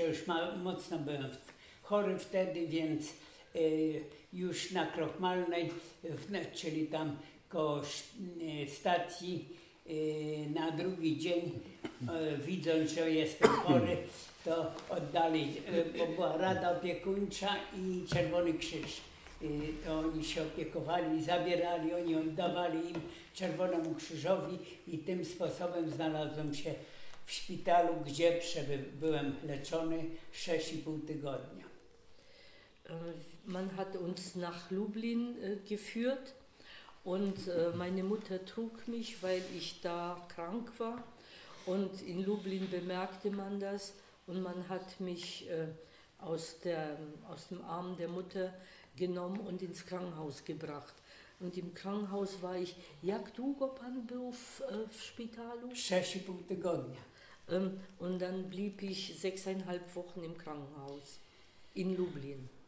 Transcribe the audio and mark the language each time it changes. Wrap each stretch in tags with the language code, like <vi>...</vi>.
<pl>Ja już mocno byłem chory wtedy, więc już na Krochmalnej, czyli tam koło stacji, na drugi dzień, widząc, że jestem chory, to oddali, bo była Rada Opiekuńcza i Czerwony Krzyż. To oni się opiekowali, zabierali, oni oddawali im Czerwonemu Krzyżowi i tym sposobem znalazłem się w szpitalu, gdzie byłem leczony 6,5 tygodnia.</pl> <de>Man hat uns nach Lublin geführt und meine Mutter trug mich, weil ich da krank war. Und in Lublin bemerkte man das und man hat mich aus dem Arm der Mutter genommen und ins Krankenhaus gebracht. Und im Krankenhaus war ich,</de> <pl>jak długo pan był w szpitalu? 6,5 tygodnia.</pl> <de>Und dann blieb ich 6,5 Wochen im Krankenhaus in Lublin.</de>